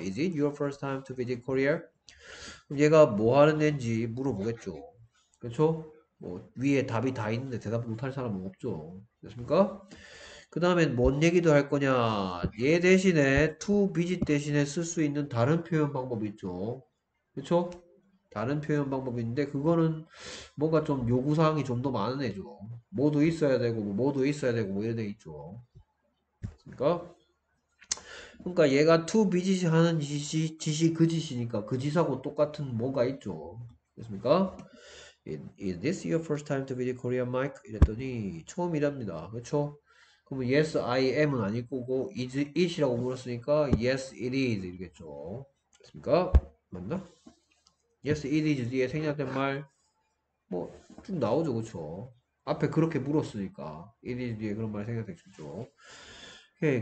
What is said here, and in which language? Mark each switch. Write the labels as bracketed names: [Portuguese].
[English] Is it your first time to visit Korea? [Korean] 얘가 뭐 하는 애인지 물어보겠죠. 그렇죠? 뭐 위에 답이 다 있는데 대답 못할 사람은 없죠. 됐습니까? 그 다음엔 뭔 얘기도 할 거냐? 얘 대신에 to visit 대신에 쓸수 있는 다른 표현 방법이 있죠. 그렇죠? 다른 표현 방법이 있는데 그거는 뭔가 좀 요구사항이 좀더 많은 애죠. 뭐도 있어야 되고 뭐도 있어야 되고 뭐 이런 애 있죠. 그러니까 얘가 to visit 하는 짓이 그 짓이니까 그 짓하고 똑같은 뭐가 있죠. 그렇습니까? [English] Is this your first time to visit Korea, Mike? [Korean] 이랬더니 처음이랍니다. 그렇죠? 그럼 [English] yes, I am [Korean] 은 아닐 거고 is it이라고 물었으니까 [English] yes, it is [Korean] 이겠죠. 그렇습니까? 맞나? [English] Yes, it is [Korean] 뒤에 생략된 말뭐쭉 나오죠. 그쵸? 앞에 그렇게 물었으니까 it is 뒤에 그런 말 생략된 거죠. 오케이.